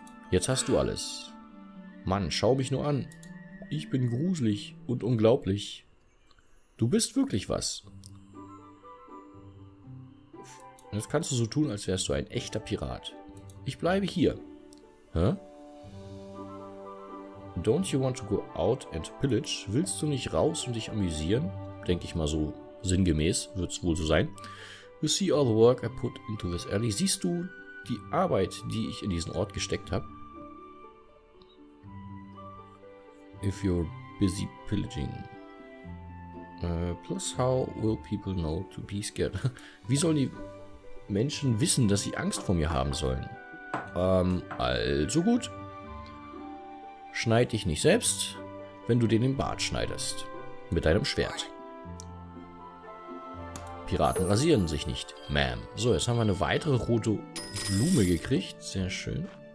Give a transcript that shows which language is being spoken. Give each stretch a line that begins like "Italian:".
German: Jetzt hast du alles. Mann, schau mich nur an. Ich bin gruselig und unglaublich. Du bist wirklich was. Jetzt kannst du so tun, als wärst du ein echter Pirat. Ich bleibe hier. Hä?
English: Don't you want to go out and pillage?
German: Willst du nicht raus und dich amüsieren? Denke ich mal so sinngemäß, wird's wohl so sein.
English: You see all the work I put into this alley.
German: Siehst du die Arbeit, die ich in diesen Ort gesteckt habe?
English: If you're busy pillaging. Plus how will people know to be scared?
German: Wie sollen die Menschen wissen, dass sie Angst vor mir haben sollen? Also gut. Schneid dich nicht selbst, wenn du dir den Bart schneidest. Mit deinem Schwert. Piraten rasieren sich nicht, Ma'am. So, jetzt haben wir eine weitere rote Blume gekriegt. Sehr schön.